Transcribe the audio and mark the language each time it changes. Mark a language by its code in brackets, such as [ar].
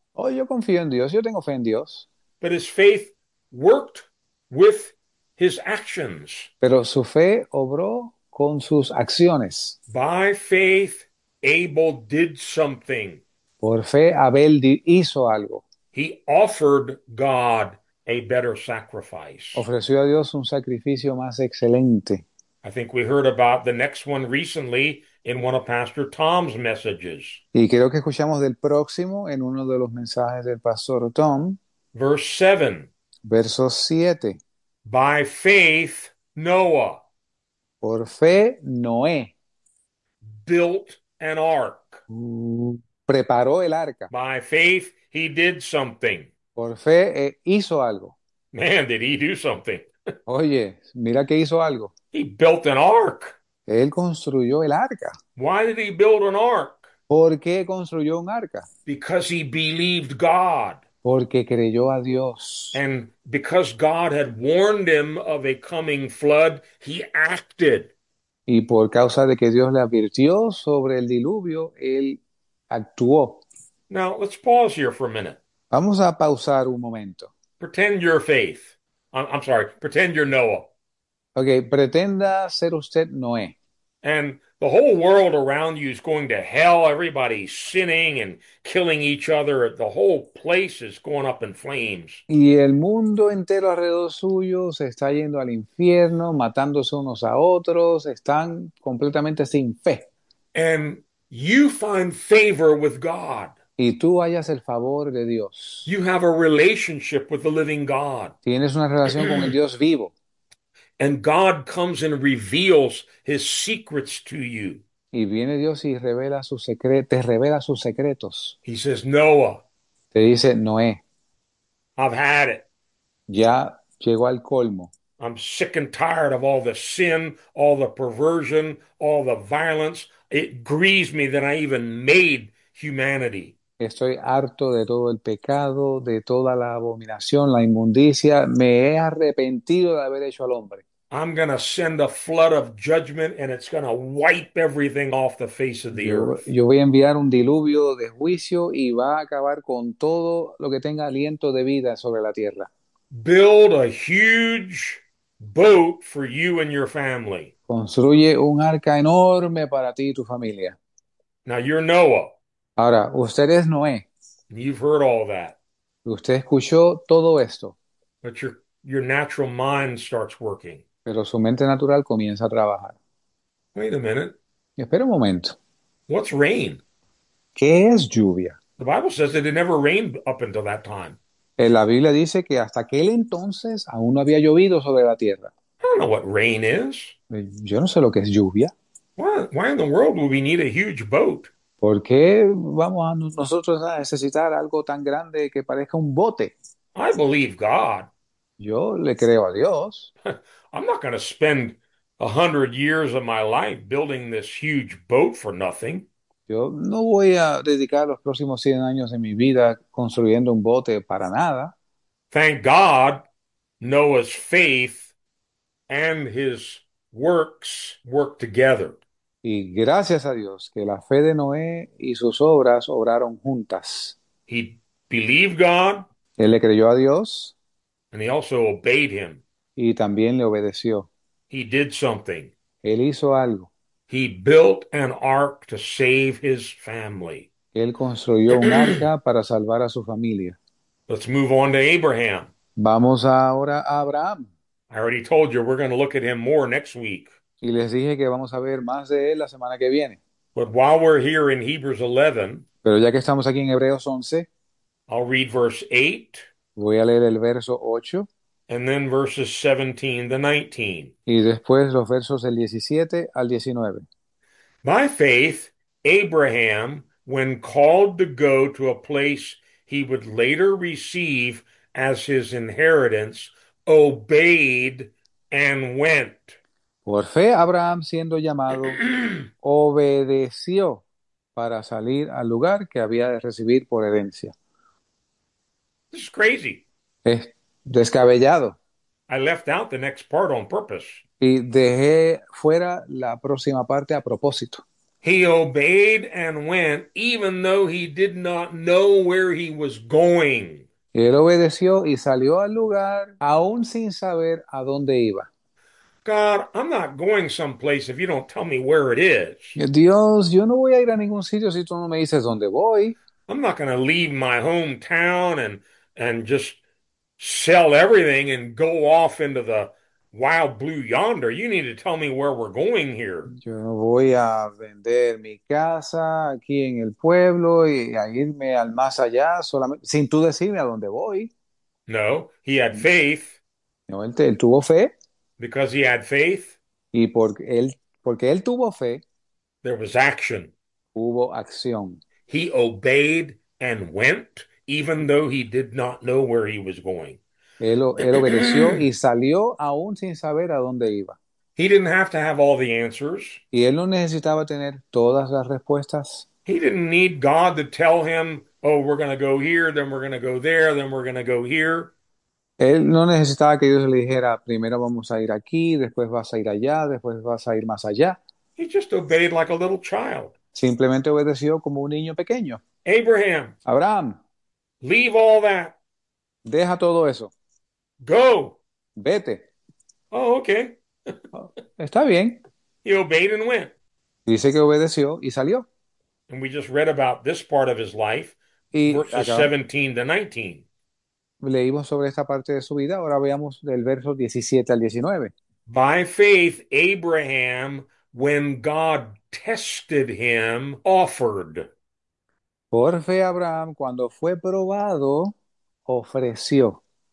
[es] Oh, yo confío en Dios, yo tengo fe en Dios. [en] But his faith worked with his actions. [es] Pero su fe obró con sus acciones. [en] By faith, Abel did something. [es] Por fe Abel hizo algo. [en] He offered God a better sacrifice. [es] Ofreció a Dios un sacrificio más excelente. [en] I think we heard about the next one recently in one of Pastor Tom's messages. [es] Y creo que escuchamos del próximo en uno de los mensajes del pastor Tom, [en] Verse 7. [es] verso 7. [en] By faith, Noah [es] Por fe, Noé [en] built an ark. [es] preparó el arca. [en] By faith, he did something. [es] Por fe, hizo algo. [en] Man, did he do something? [es] Oye, mira que hizo algo. [en] He built an ark. [es] Él construyó el arca. [en] Why did he build an ark? [es] ¿Por qué construyó un arca? [en] Because he believed God. [es] Porque creyó a Dios. [en] And because God had warned him of a coming flood, he acted. [es] Y por causa de que Dios le advirtió sobre el diluvio, él actuó. [en] Now, let's pause here for a minute. [es] Vamos a pausar un momento. [en] Pretend your faith. I'm sorry, pretend you're Noah. [es] Ok, pretenda ser usted Noé. [en] And the whole world around you is going to hell. Everybody's sinning and killing each other. The whole place is going up in flames. [es] Y el mundo entero alrededor suyo se está yendo al infierno, matándose unos a otros, están completamente sin fe. [en] And you find favor with God. [es] Y tú hallas el favor de Dios. [en] You have a relationship with the living God. [es] Tienes una relación con el Dios vivo. [en] And God comes and reveals his secrets to you. [es] Y viene Dios y revela sus secretos, te revela sus secretos. [en] He says, Noah, [es] Te dice Noé. [en] I've had it. [es] Ya llegó al colmo. [en] I'm sick and tired of all the sin, all the perversion, all the violence. It grieves me that I even made humanity. [es] Estoy harto de todo el pecado, de toda la abominación, la inmundicia. Me he arrepentido de haber hecho al hombre. [en] I'm going to send a flood of judgment and it's going to wipe everything off the face of the earth. [es] Yo voy a enviar un diluvio de juicio y va a acabar con todo lo que tenga aliento de vida sobre la tierra. [en] Build a huge boat for you and your family. [es] Construye un arca enorme para ti y tu familia. [en] Now you're Noah. [es] Ahora, usted es Noé. [en] You've heard all that. [es] Usted escuchó todo esto. [en] But your natural mind starts working. [es] Pero su mente natural comienza a trabajar. [en] Wait a minute. [es] Espera un momento. [en] What's rain? [es] ¿Qué es lluvia? [en] The Bible says that it never rained up until that time. [es] La Biblia dice que hasta aquel entonces aún no había llovido sobre la tierra. [en] I don't know what rain is. [es] Yo no sé lo que es lluvia. [en] Why in the world would we need a huge boat? [es] ¿Por qué vamos a nosotros a necesitar algo tan grande que parezca un bote? [en] I believe God. [es] Yo le creo a Dios. [en] I'm not going to spend 100 years of my life building this huge boat for nothing. [es] Yo no voy a dedicar los próximos 100 años de mi vida construyendo un bote para nada. [en] Thank God, Noah's faith and his works work together. [es] Y gracias a Dios que la fe de Noé y sus obras obraron juntas. [en] He believed God. [es] Él le creyó a Dios [en] And he also obeyed him. [es] y también le obedeció. [en] He did something. [es] Él hizo algo. [en] He built an ark to save his family. [es] Él construyó un arca para salvar a su familia. [en] Let's move on to Abraham. [es] Vamos ahora a Abraham. [en] I already told you we're going to look at him more next week. [es] Y les dije que vamos a ver más de él la semana que viene. [en] But while we're here in Hebrews 11, [es] Pero ya que estamos aquí en Hebreos 11, [en] I'll read verse 8. [es] voy a leer el verso 8 [en] And then verses 17 to 19. [es] y después los versos del 17 al 19. [en] By faith, Abraham, when called to go to a place he would later receive as his inheritance, obeyed and went. [es] Por fe, Abraham, siendo llamado, obedeció para salir al lugar que había de recibir por herencia. [en] This is crazy. [es] Es descabellado. [en] I left out the next part on purpose. [es] Y dejé fuera la próxima parte a propósito. [en] He obeyed and went, even though he did not know where he was going. [es] Él obedeció y salió al lugar, aún sin saber a dónde iba. [en] God, I'm not going someplace if you don't tell me where it is. [es] Dios, yo no voy a ir a ningún sitio si tú no me dices dónde voy. [en] I'm not going to leave my hometown and just sell everything and go off into the wild blue yonder. You need to tell me where we're going here. [es] Yo no voy a vender mi casa aquí en el pueblo y a irme al más allá solamente sin tú decirme a dónde voy. [en] No, he had faith [es] No, él tuvo fe. [en] because he had faith. [es] Y porque él tuvo fe. [en] There was action. [es] Hubo acción. [en] He obeyed and went. Even though he did not know where he was going, [es] Él obedeció y salió aún sin saber a dónde iba. [en] he didn't have to have all the answers. [es] Y él no necesitaba tener todas las respuestas. [en] He didn't need God to tell him, oh, we're going to go here, then we're going to go there, then we're going to go here. [es] Él no necesitaba que Dios le dijera, primero vamos a ir aquí, después vas a ir allá, después vas a ir más allá. [en] He just obeyed like a little child. [es] Simplemente obedeció como un niño pequeño. [en] Abraham. [es] Abraham, [en] Leave all that. [es] deja todo eso. [en] Go. [es] Vete. [en] Oh, okay. [es] Está bien. [en] He obeyed and went. [es] Dice que obedeció y salió. [en] And we just read about this part of his life, [es] Y [en] verses [es] acá [en] 17 to 19. [es] leímos sobre esta parte de su vida. Ahora veamos del verso 17 al 19. [en] By faith, Abraham, when God tested him, offered. [es] Por fe, Abraham, cuando fue probado, ofreció.